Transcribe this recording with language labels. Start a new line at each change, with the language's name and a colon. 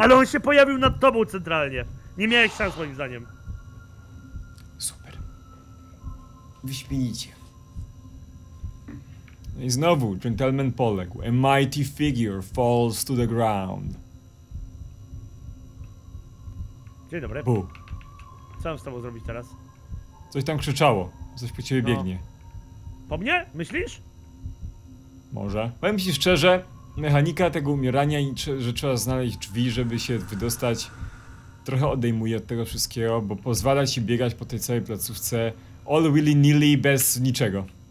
Polish: Ale on się pojawił nad tobą centralnie. Nie miałeś szans moim zdaniem. Super. Wyśmienicie. I znowu, gentleman poległ.
English: A mighty figure falls to the ground.
Polish: Dzień dobry. Bu. Co mam z tobą zrobić teraz? Coś tam krzyczało. Coś po ciebie biegnie. Po mnie? Myślisz? Może. Powiem ci szczerze. Mechanika tego umierania i że trzeba znaleźć drzwi, żeby się wydostać, trochę odejmuje od tego wszystkiego, bo pozwala ci biegać po tej całej placówce
English: all willy nilly
Polish: bez niczego.